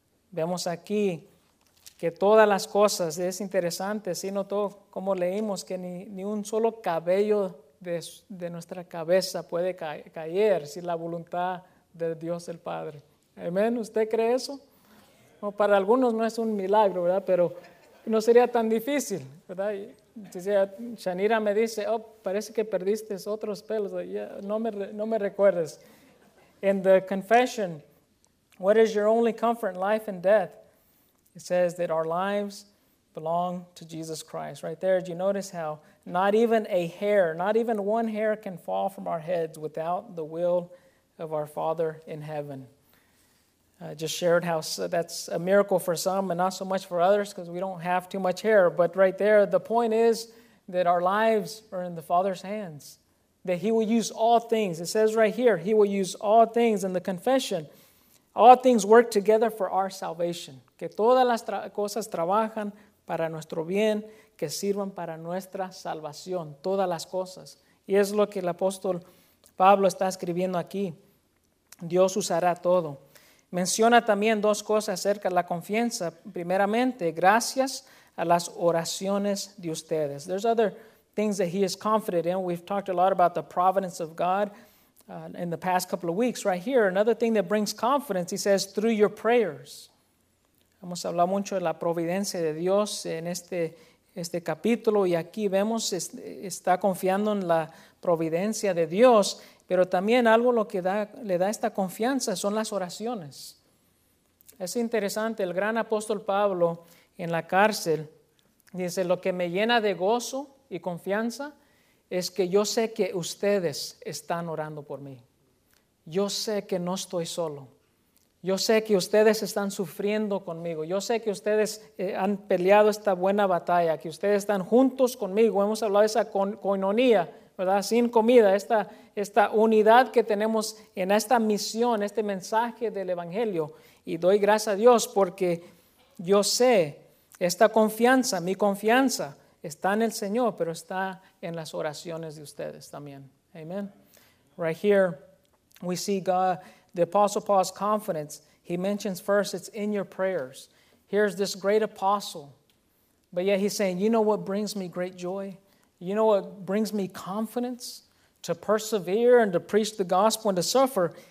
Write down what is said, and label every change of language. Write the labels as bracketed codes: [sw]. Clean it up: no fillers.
[es] Vemos aquí que todas las cosas, es interesante, si notó como leímos que ni un solo cabello de nuestra cabeza puede caer sin la voluntad de Dios el Padre. ¿Amén? ¿Usted cree eso? Bueno, para algunos no es un milagro, ¿verdad? Pero no sería tan difícil, ¿verdad? Entonces, Shanira me dice, oh, parece que perdiste otros pelos. [en] Like, yeah, [es] no me recuerdes. [en] In the confession, what is your only comfort in life and death? It says that our lives belong to Jesus Christ. Right there, do you notice how not even one hair can fall from our heads without the will of our Father in heaven? I just shared how that's a miracle for some and not so much for others because we don't have too much hair. But right there, the point is that our lives are in the Father's hands, that He will use all things. It says right here, He will use all things in the confession. All things work together for our salvation. [es] Que todas las cosas trabajan para nuestro bien, que sirvan para nuestra salvación. Todas las cosas. Y es lo que el apóstol Pablo está escribiendo aquí. Dios usará todo. Menciona también dos cosas acerca de la confianza. Primeramente, gracias a las oraciones de ustedes. [en] There's other things that he is confident in. We've talked a lot about the providence of God in the past couple of weeks. Right here, another thing that brings confidence, he says, through your prayers. [es] Hemos hablado mucho de la providencia de Dios en este capítulo. Y aquí vemos, está confiando en la providencia de Dios. Pero también algo lo que le da esta confianza son las oraciones. Es interesante, el gran apóstol Pablo en la cárcel dice, lo que me llena de gozo y confianza es que yo sé que ustedes están orando por mí. Yo sé que no estoy solo. Yo sé que ustedes están sufriendo conmigo. Yo sé que ustedes han peleado esta buena batalla, que ustedes están juntos conmigo. Hemos hablado de esa koinonía, ¿verdad? Sin comida, esta unidad que tenemos en esta misión, este mensaje del Evangelio. Y doy gracias a Dios porque yo sé, esta confianza, mi confianza, está en el Señor, pero está en las oraciones de ustedes también. [en] Amen. Right here, we see God, the Apostle Paul's confidence. He mentions first, it's in your prayers. Here's this great apostle. But yet he's saying, you know what brings me great joy? You know what brings me confidence to persevere and to preach the gospel and to suffer?